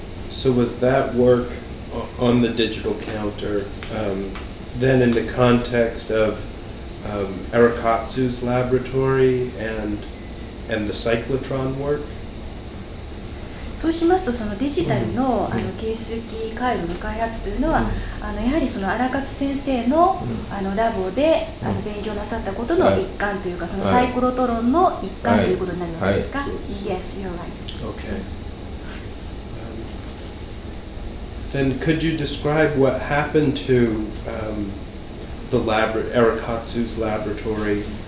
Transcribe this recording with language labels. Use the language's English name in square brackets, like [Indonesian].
[English] So was that work on the digital counter then in the context of Arakatsu's laboratory and the cyclotron work? [Japanese] そうしますと、そのデジタル の, あの計数機回路の開発というのは、あのやはりその荒勝先生 の, あのラボであの勉強なさったことの一環というか、そのサイクロトロンの一環ということになるわけですか、 [English] Yes, you're right. Okay. Then could you describe what happened to the Arakatsu's laboratory?